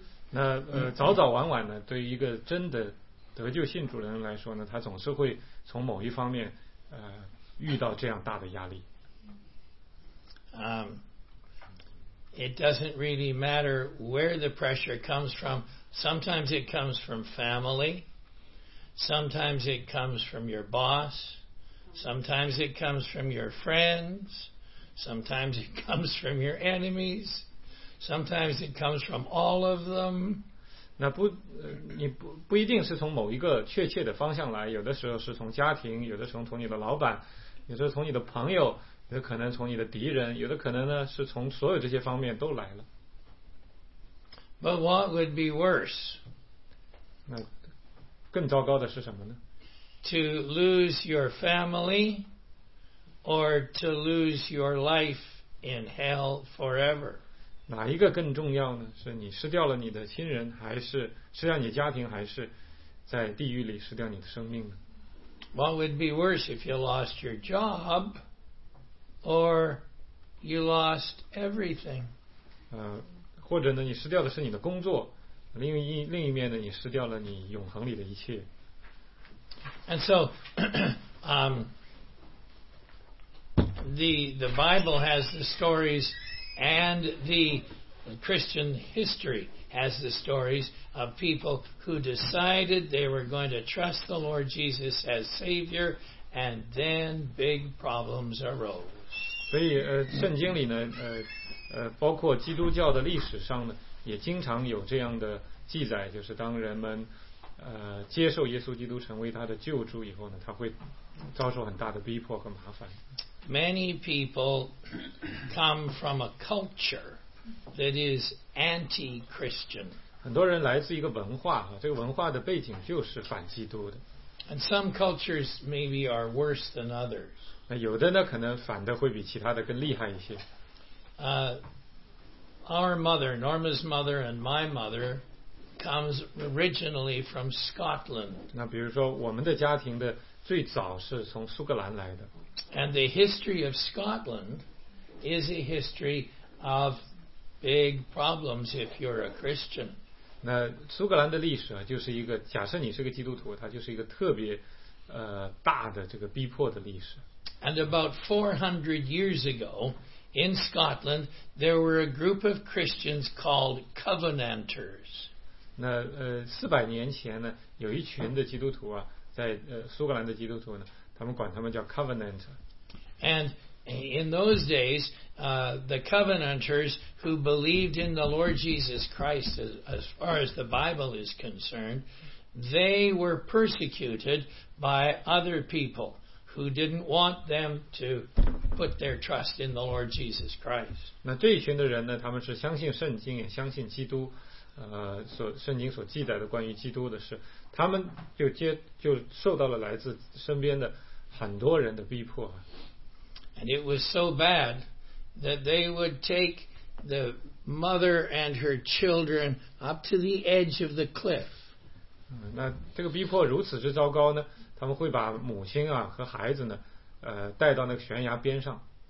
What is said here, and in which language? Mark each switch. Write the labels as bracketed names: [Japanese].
[Chinese] 那早早晚晚呢，对于一个真的得救信主的人来说呢，他总是会从某一方面遇到这样大的压力。 [English] It doesn't really matter where the pressure comes from. Sometimes it comes from family. Sometimes it comes from your boss. Sometimes it comes from your friends. Sometimes it comes from your enemies. Sometimes it comes from all of them. [Chinese] 那不，你不一定是从某一个确切的方向来，有的时候是从家庭，有的时候从你的老板，有的时候从你的朋友。有可能从你的敌人，有的可能呢是从所有这些方面都来了。 [English] But what would be worse? [Chinese] 那更糟糕的是什么呢？ [English] To lose your family or to lose your life in hell forever? [Chinese] 哪一个更重要呢？是你失掉了你的亲人，还是失掉你家庭，还是在地狱里失掉你的生命呢？ [English] What would be worse if you lost your job? Or you lost everything. [Chinese] 或者呢，你失掉的是你的工作。另一面呢，你失掉了你永恒里的一切。 [English] And so, the Bible has the stories and the Christian history has the stories of people who decided they were going to trust the Lord Jesus as Savior, and then big problems arose. [Chinese] 所以圣经里呢包括基督教的历史上呢也经常有这样的记载，就是当人们接受耶稣基督成为他的救主以后呢，他会遭受很大的逼迫和麻烦。 [English] Many people come from a culture that is anti-Christian. [Chinese] 很多人来自一个文化，这个文化的背景就是反基督的。 [English] And some cultures maybe are worse than others. [Chinese] 有的呢可能反的会比其他的更厉害一些。 [English] Our mother, Norma's mother and my mother comes originally from Scotland. [Chinese] 那比如说我们的家庭的最早是从苏格兰来的。 [English] And the history of Scotland is a history of big problems if you're a Christian. [Chinese] 那苏格兰的历史就是一个，假设你是个基督徒，它就是一个特别大的这个逼迫的历史。 [English] And about 400 years ago, in Scotland, there were a group of Christians called Covenanters. [Chinese] 那400年前呢，有一群的基督徒啊，在苏格兰的基督徒呢，他们管他们叫 Covenanter. [English] And in those days, the Covenanters who believed in the Lord Jesus Christ, as far as the Bible is concerned, they were persecuted by other people. Who didn't want them to put their trust in the Lord Jesus Christ? [Chinese] 那这一群的人呢，他们是相信圣经，也相信基督，所圣经所记载的关于基督的事，他们就受到了来自身边的很多人的逼迫。 [English] And it was so bad that they would take the mother and her children up to the edge of the cliff. [Chinese] 那这个逼迫如此之糟糕呢？他们会把母亲啊和孩子呢，带到那个悬崖边上。